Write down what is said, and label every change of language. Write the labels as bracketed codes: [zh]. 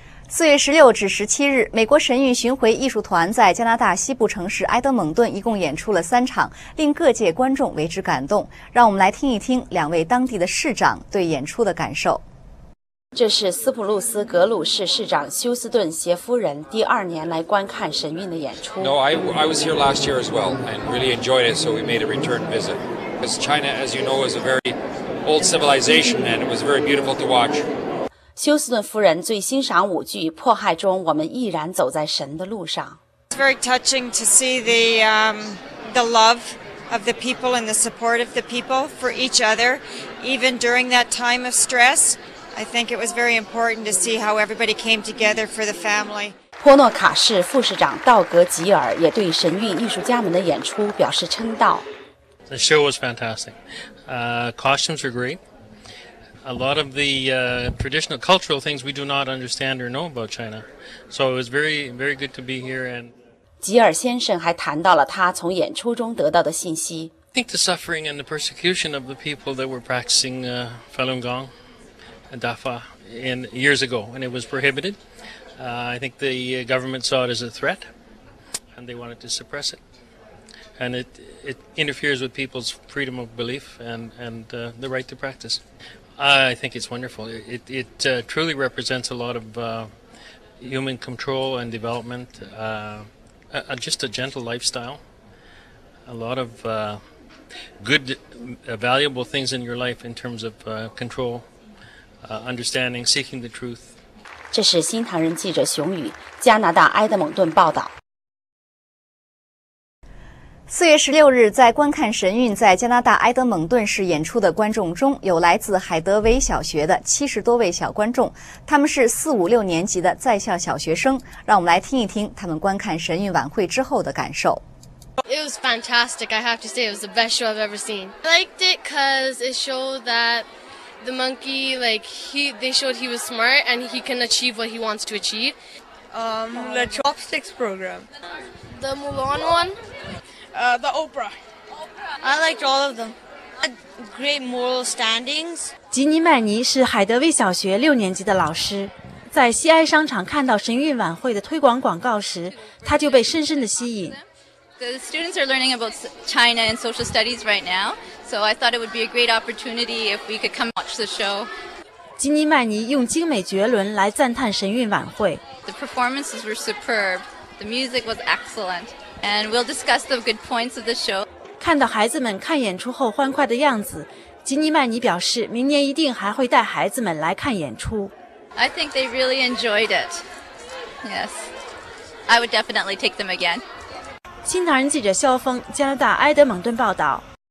[zh] 4月16至17日，美国神韵巡回艺术团在加拿大西部城市埃德蒙顿一共演出了三场，令各界观众为之感动。让我们来听一听两位当地的市长对演出的感受。这是斯普鲁斯格鲁市市长休斯顿·杰夫人第二年来观看神韵的演出。 [en] No, I was here last year as well and really enjoyed it, so we made a return visit. Because China, as you know, is a very old civilization and it was very beautiful to watch. [zh] 休斯顿夫人最欣赏舞剧《迫害》中，我们毅然走在神的路上。 [en] It's very touching to see the love of the people and the support of the people for each other, even during that time of stress. I think it was very important to see how everybody came together for the family. [zh] 波诺卡市副市长道格吉尔也对神韵艺术家们的演出表示称道。 [en] The show was fantastic. Costumes were great. A lot of the traditional cultural things we do not understand or know about China. So it was very, very good to be here. And [zh] 吉尔先生还谈到了他从演出中得到的信息。 [en] I think the suffering and the persecution of the people that were practicing Falun Gong and Dafa in years ago, and it was prohibited. I think the government saw it as a threat, and they wanted to suppress it. And it interferes with people's freedom of belief and the right to practice. I think it's wonderful. It truly represents a lot of human control and development, just a gentle lifestyle, a lot of good, valuable things in your life in terms of control, understanding, seeking the truth. [zh] 这是新唐人记者熊宇，加拿大埃德蒙顿报道。 4月16日在观看神韵在加拿大埃德蒙顿市演出的观众中，有来自海德威小学的70多位小观众，他们是四五六年级的在校小学生，让我们来听一听他们观看神韵晚会之后的感受。 [en] It was fantastic, I have to say, it was the best show I've ever seen. I liked it because it showed that the monkey, like, they showed he was smart and he can achieve what he wants to achieve. The chopsticks program. The Mulan one. The Oprah. I liked all of them. Great moral standings. [zh] 吉尼曼尼是海德威小学六年级的老师。在西埃商场看到神韵晚会的推广广告时，他就被深深的吸引。 [en] The students are learning about China and social studies right now, so I thought it would be a great opportunity if we could come watch the show. [zh] 吉尼曼尼用精美绝伦来赞叹神韵晚会。 [en] The performances were superb. The music was excellent. And we'll discuss the good points of the show. [zh] 看到孩子们看演出后欢快的样子，吉尼曼尼表示明年一定还会带孩子们来看演出。 [en] I think they really enjoyed it. Yes. I would definitely take them again. [zh] 新唐人记者肖峰，加拿大埃德蒙顿报道。